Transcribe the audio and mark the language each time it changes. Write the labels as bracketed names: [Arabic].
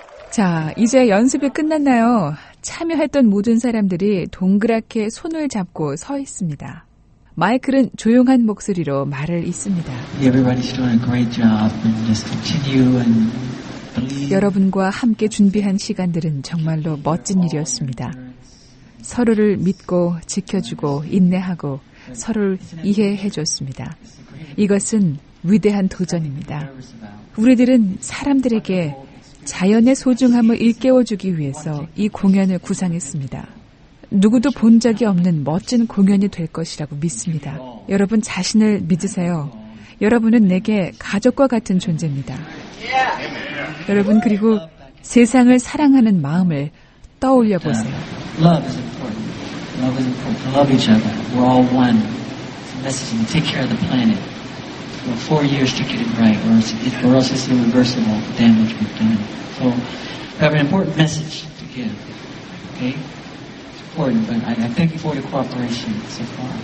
[Korean] 자, 이제 연습이 끝났나요? 참여했던 모든 사람들이 동그랗게 손을 잡고 서 있습니다. 마이클은 조용한 목소리로 말을 잇습니다. Everybody's doing a great job and just continue and believe. 여러분과 함께 준비한 시간들은 정말로 멋진 일이었습니다. 서로를 믿고 지켜주고 인내하고 서로를 이해해줬습니다. 이것은 위대한 도전입니다. 우리들은 사람들에게 자연의 소중함을 일깨워주기 위해서 이 공연을 구상했습니다. 누구도 본 적이 없는 멋진 공연이 될 것이라고 믿습니다. 여러분 자신을 믿으세요. 여러분은 내게 가족과 같은 존재입니다. 여러분 그리고 세상을 사랑하는 마음을 떠올려 보세요. [English] Love is important. Love is important. Love each other. We're all one. It's a message. And take care of the planet. We're 4 years to get it right, or else it's irreversible damage we've done. So we have an important message to give. Okay? It's important, but I thank you for your cooperation so far.